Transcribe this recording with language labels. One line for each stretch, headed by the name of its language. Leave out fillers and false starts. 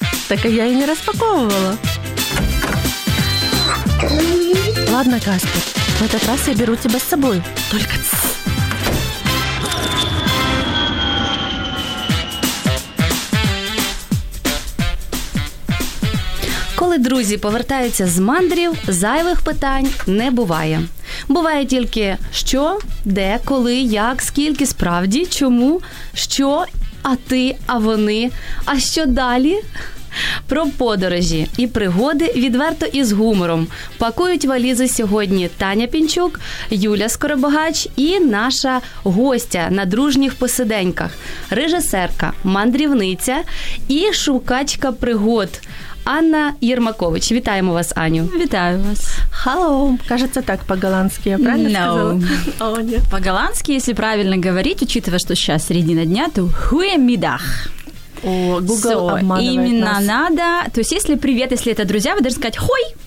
Ukrainian: Так я і не розпаковувала.
Russian: Ладно, Каспер, в этот раз я беру тебя с собой. Только тссс.
Ukrainian: Коли друзі повертаються з мандрів, зайвих питань не буває. Буває тільки що, де, коли, як, скільки, справді, чому, що, а ти, а вони, а що далі? Про подорожі і пригоди відверто із гумором пакують валізи сьогодні Таня Пінчук, Юля Скоробогач і наша гостя на дружніх посиденьках, режисерка, мандрівниця і шукачка пригод Анна Єрмакович. Вітаємо вас, Аню. Вітаю вас.
English: Hello.
Russian: Кажется, так по-голландски, я правильно сказала? Oh, нет. По-голландски, если правильно говорить, учитывая, что сейчас середина дня, то «Гуемидах». Google обманывает именно нас. Надо. То есть, если привет, если это друзья, вы должны сказать «Хой».